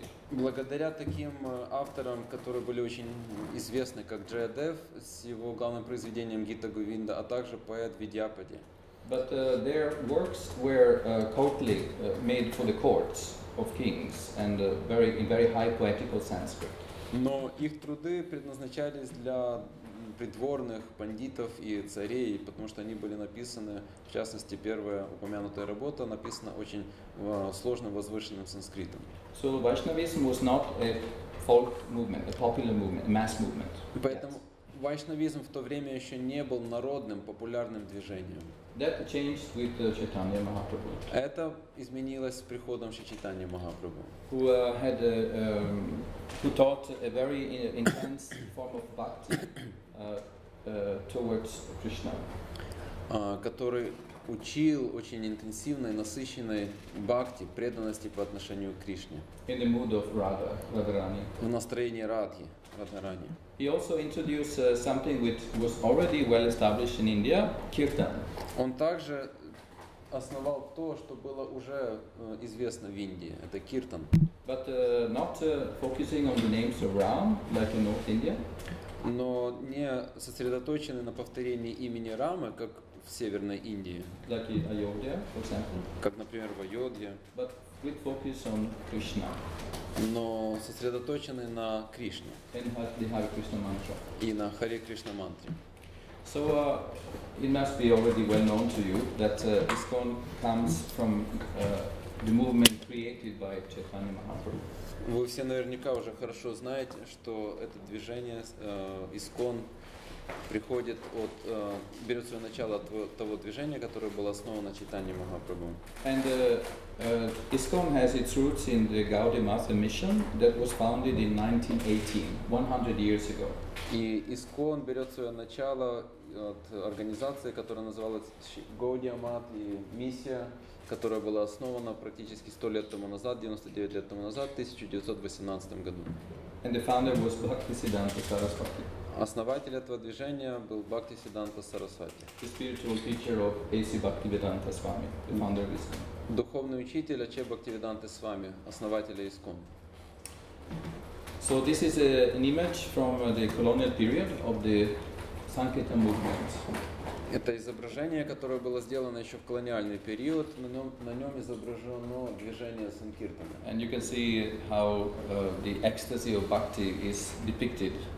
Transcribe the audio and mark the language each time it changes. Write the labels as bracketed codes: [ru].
[ru] Благодаря таким авторам, которые были очень известны, как Джаядев с его главным произведением Гита Говинда, а также поэт Видьяпати. [en] But their works were courtly, made for the courts of kings, and very in very high poetical Sanskrit. [ru] Но их труды предназначались для придворных, пандитов и царей, потому что они были написаны, в частности, первая упомянутая работа написана очень сложным возвышенным санскритом. [en] So Vaishnavism was not a folk movement, a popular movement, a mass movement. [ru] Поэтому вайшнавизм в то время еще не был народным, популярным движением. [en] That changed with Chaitanya Mahaprabhu. [ru] Это изменилось с приходом Чайтаньи Махапрабху. [en] Who had who taught a very intense form of bhakti towards Krishna. [ru] Который учил очень интенсивной, насыщенной бхакти, преданности по отношению к Кришне. [en] In the mood of Radha, Radharani. [ru] В настроении Радхи, Радхарани. [en] He also introduced something which was already well established in India, kirtan. [ru] Он также основал то, что было уже известно в Индии, это kirtan. [en] But not focusing on the names of Ram, like in North India. [ru] Но не сосредоточены на повторении имени Рамы, как в Северной Индии. [en] Like in Ayodhya, for example. [ru] Как, например, в Айодхе. [en] But with focus on Krishna. [ru] Но сосредоточены на Кришне. [en] And the Hare Krishna mantra. [ru] И на Харе Кришна мантре. [en] So it must be already well known to you that ISKCON comes from the movement created by Chaitanya Mahaprabhu. [ru] Вы все наверняка уже хорошо знаете, что это движение ISKCON приходит от берет свое начало от того движения, которое было основано Чайтаньей Махапрабху. [en] And ISKCON has its roots in the Gaudiya Matha mission that was founded in 1918, 100 years ago. [ru] И ISKCON берет свое начало от организации, которая называлась Gaudiya Matha миссия, которая была основана практически 100 лет тому назад, 99 лет тому назад, в 1918 году. [en] And the founder was Bhaktisiddhanta Saraswati. [ru] Основатель этого движения был Бхактисиддханта Сарасвати. [en] The spiritual teacher of AC Bhaktivedanta Swami, the founder of ISKCON. [ru] духовный учитель Ачхе Бхактивиданты Свами, основателя ИСКОН. [en] So this is an image from the colonial period of the Sankirtan movement. [ru] Это изображение, которое было сделано еще в колониальный период, на нем изображено движение Санкиртана. [en] And you can see how the ecstasy of bhakti is depicted.